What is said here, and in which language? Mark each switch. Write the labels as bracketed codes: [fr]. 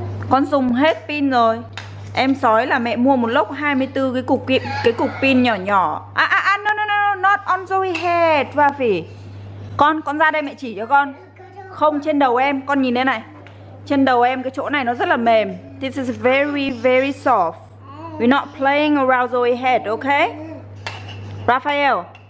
[vi] Con dùng hết pin rồi. Em Sói là mẹ mua một lốc 24 cái cục pin nhỏ nhỏ. [en] No, not on Zoe's head, Raffy. [vi] Con ra đây mẹ chỉ cho con. Không, trên đầu em, con nhìn đây này. Trên đầu em cái chỗ này nó rất là mềm. [en] This is very very soft. We're not playing around Zoe's head, okay? Raphael.